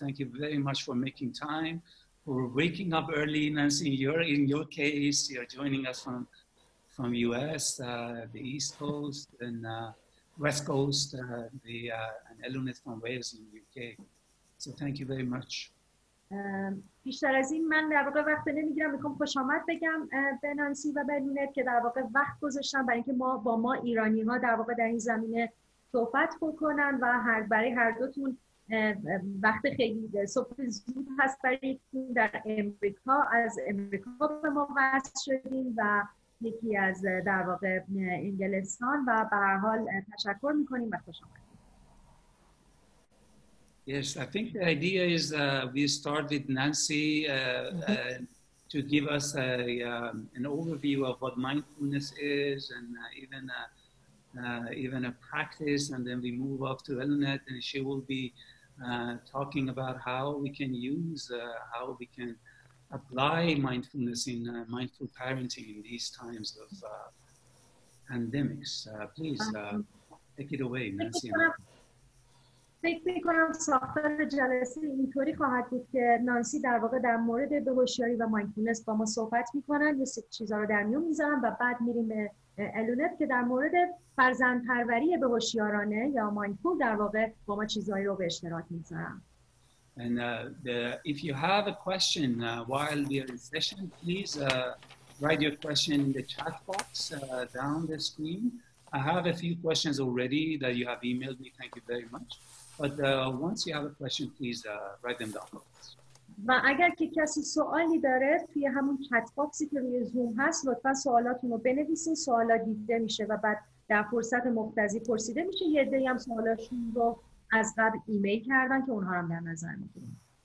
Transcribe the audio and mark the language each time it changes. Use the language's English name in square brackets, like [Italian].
[English] Thank you very much for making time, for waking up early. Nancy, in your case, you're joining us from US, the East Coast and West Coast, and Eluned from Wales in the UK. So thank you very much. [Persian] بیشتر از این من در واقع وقت نمیگیرم، میخوام خوش آمد بگم به نانسی و به لونت که در واقع وقت گذاشتن برای اینکه با ما ایرانی ها در واقع در این زمینه صحبت بکنن و برای هر دوتون وقت خیلی صبح زود هست برای تون در امریکا، از امریکا به ما وصل شدیم و یکی از در واقع انگلستان و به هر حال تشکر میکنیم و خوش آمد. [English] Yes, I think the idea is we start with Nancy to give us an overview of what mindfulness is and even a practice, and then we move off to Eluned and she will be talking about how we can apply mindfulness in mindful parenting in these times of pandemics. Please take it away, Nancy. [Persian] فکر میکنم ساختار جلسه اینطوری خواهد بود که نانسی در واقع در مورد به هوشیاری و مایندفولنس با ما صحبت میکنن، یه سری چیزا رو در میون میذارن و بعد میریم به الونت که در مورد فرزند پروری به هوشیارانه یا مایندفول در واقع با ما چیزایی رو به اشتراک میذارن. [English] And if you have a question while we are in session, please write your question in the chat box down the screen. I have a few questions already that you have emailed me. Thank you very much. But once you have a question, please write them down. [Persian] و اگر که کسی سوالی داره توی همون چت باکسی که روی زوم هست لطفا سوالاتون رو بنویسین، سوالا دیده میشه و بعد در فرصت مختزی پرسیده میشه. یه عده‌ای هم سوالاشون رو از قبل ایمیل کردن که اونها رو هم در نظر میگیریم.